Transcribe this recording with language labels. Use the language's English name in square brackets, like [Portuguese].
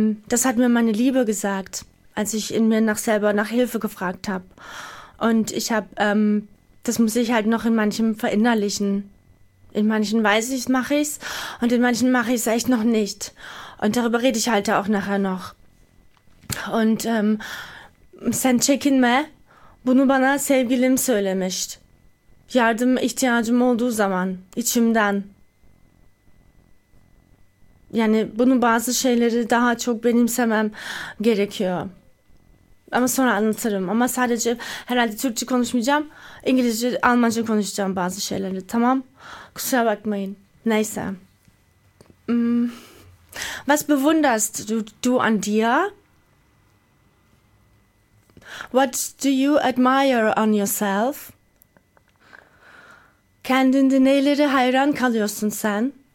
[German] Das hat mir meine Liebe gesagt, als ich in mir nach selber nach Hilfe gefragt habe. Und ich habe, das muss ich halt noch in manchem verinnerlichen. In manchen weiß ich, mache ich's. Und in manchen mache ich's echt noch nicht. Und darüber rede ich halt auch nachher noch. [Turkish] Und, sen çekinme, bunu bana sevgilim söylemişt. Yardım ihtiyacım olduğu zaman, içimden. Yani bunu bazı şeyleri daha çok benimsemem gerekiyor. Ama sonra anlatırım. Ama sadece herhalde Türkçe konuşmayacağım. İngilizce, Almanca konuşacağım bazı şeyleri. Tamam? Kusura bakmayın. Neyse. [German] Was bewunderst du an dir? [English] What do you admire on yourself? [Turkish] Kendinde neleri hayran kalıyorsun sen?